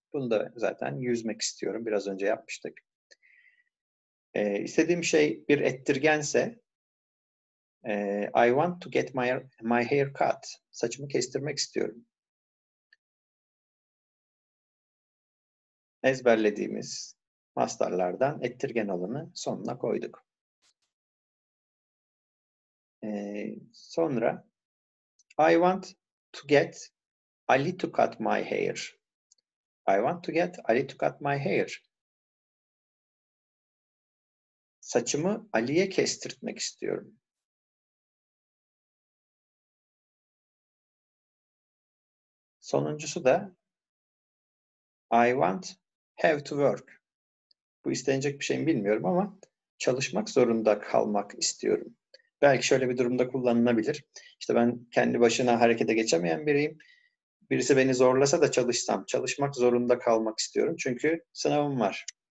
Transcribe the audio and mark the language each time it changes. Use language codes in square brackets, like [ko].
[tr] Bunu da zaten yüzmek istiyorum. Biraz önce yapmıştık. İstediğim şey bir ettirgense [en] I want to get my hair cut. [tr] Saçımı kestirmek istiyorum. Ezberlediğimiz mastarlardan ettirgen olanı sonuna koyduk. Sonra [en] I want to get Ali to cut my hair. I want to get Ali to cut my hair. [tr] Saçımı Ali'ye kestirtmek istiyorum. Sonuncusu da [en] I want have to work. [tr] Bu istenecek bir şey mi bilmiyorum ama çalışmak zorunda kalmak istiyorum. Belki şöyle bir durumda kullanılabilir. İşte ben kendi başına harekete geçemeyen biriyim. Birisi beni zorlasa da çalışsam çalışmak zorunda kalmak istiyorum. Çünkü sınavım var.